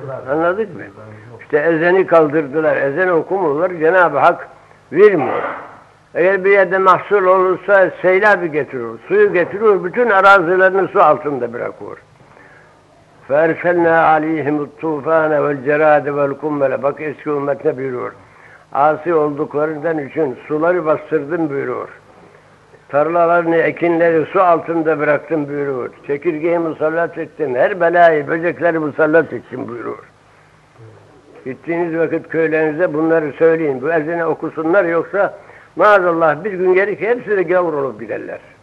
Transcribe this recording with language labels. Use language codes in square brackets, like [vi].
[tr] Anladık mı? İşte ezeni kaldırdılar, ezen okumuyorlar. Cenab-ı Hak vermiyor. Eğer bir yerde mahsul olursa seylabı getirir, suyu getirir, bütün arazilerini su altında bırakır. [ar] فَاَرْسَلْنَا عَلِيهِمُ الطُّوْفَانَ وَالْجَرَادِ وَالْكُمَّلَ [tr] Bak eski ümmetine buyuruyor. Asi olduklarından için suları bastırdım buyuruyor. Tarlalarını, ekinleri su altında bıraktım buyuruyor. Çekirgeyi musallat ettim, her belayı, böcekleri musallat ettim buyuruyor. Gittiğiniz vakit köylerinize bunları söyleyin. Bu ezine okusunlar yoksa maazallah bir gün gelir hepsi de gavur olup giderler.